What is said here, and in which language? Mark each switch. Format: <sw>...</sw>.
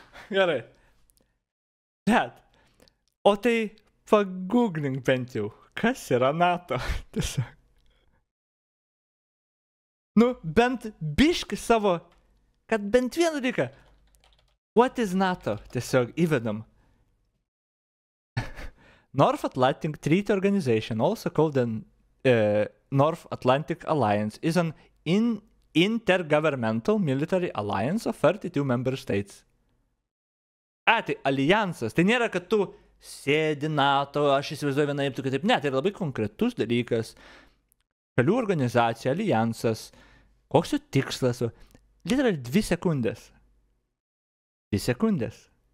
<lt>Gerai. Bet, o tai pagooglink bent jau, kas yra NATO, tiesiog. Nu, bent biški savo, kad bent vieną reiką,</lt> <en>what is NATO,</en> <lt>tiesiog įvedam.</lt> <en>North Atlantic Treaty Organization, also called the North Atlantic Alliance, is an intergovernmental military alliance of 32 member states.</en> <lt>Tai alijansas. Tai nėra, kad tu sėdi NATO, aš įsivaizduoju vienaip, tu kitaip. Ne, tai yra labai konkretus dalykas. Šalių organizacija, alijansas. Koks jų tikslas? Literally 2 sekundės. 2 sekundės.</lt>